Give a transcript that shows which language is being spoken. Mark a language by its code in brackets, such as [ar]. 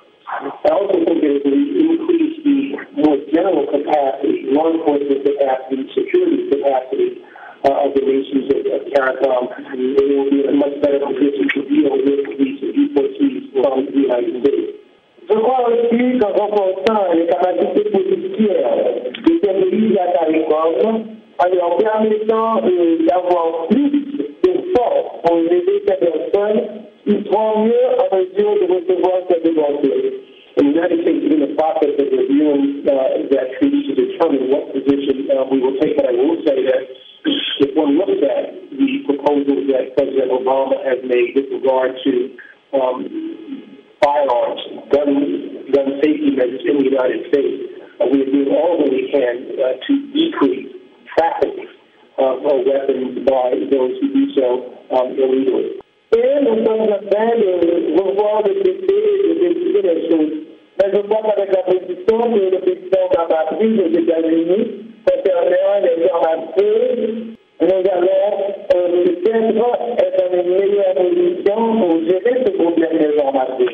[en] I also think that we increase the more general capacity, law enforcement capacity, security capacity of the nations of CARICOM. They will be in a much better position to deal with these deportees from the United States. [fr] Je crois aussi qu'en renforçant les capacités policières des pays à CARICOM, en leur permettant d'avoir plus de force pour aider ces personnes, ils seront mieux en mesure de recevoir ces demandes. [en] And the United States is in the process of reviewing that treaty to determine what position we will take. But I will say that if one looks at the proposals that President Obama has made with regard to firearms, gun safety measures in the United States, we are doing all that we can to decrease traffic of weapons by those who do so illegally. [fr] Et nous sommes en train de revoir le traité et de décider les choses. Mais je crois qu'avec la position que le président Obama a prise aux États-Unis concernant les armes à feu, nous allons peut-être être dans une meilleure position pour gérer ce problème des armes à feu.